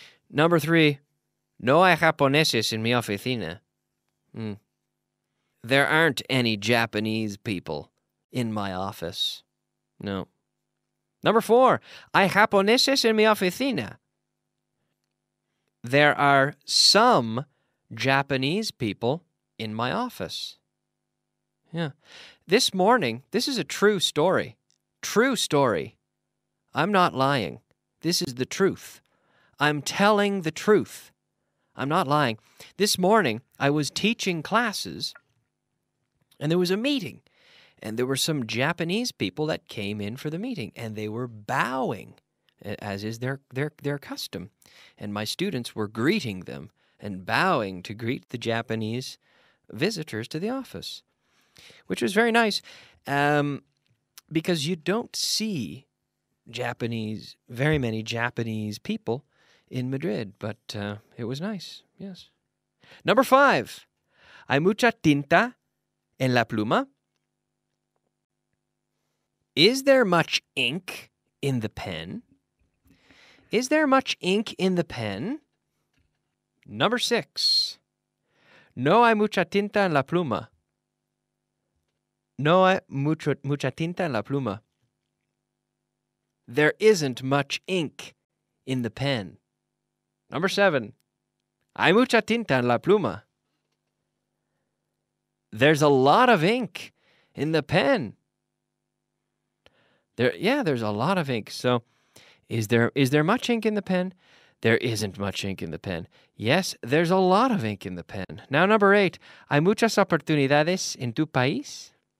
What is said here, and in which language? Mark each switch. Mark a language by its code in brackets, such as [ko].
[en] Number three, [es] no hay japoneses en mi oficina. [en] There aren't any Japanese people in my office. No. Number four, [es] hay japoneses en mi oficina. [en] There are some Japanese people in my office. Yeah. This morning, this is a true story. True story. I'm not lying. This is the truth. I'm telling the truth. I'm not lying. This morning, I was teaching classes, and there was a meeting, and there were some Japanese people that came in for the meeting, and they were bowing, as is their custom. And my students were greeting them and bowing to greet the Japanese visitors to the office, which was very nice, because you don't see very many Japanese people in Madrid, but it was nice, yes. Number five, [es] hay mucha tinta en la pluma. [en] Is there much ink in the pen? Is there much ink in the pen? Number six, [es] no hay mucha tinta en la pluma. No hay mucha tinta en la pluma. [en] There isn't much ink in the pen. Number seven, [es] hay mucha tinta en la pluma. [en] There's a lot of ink in the pen. There's a lot of ink. So is there much ink in the pen? There isn't much ink in the pen. Yes, there's a lot of ink in the pen. Now number eight, [es] hay muchas oportunidades en tu país.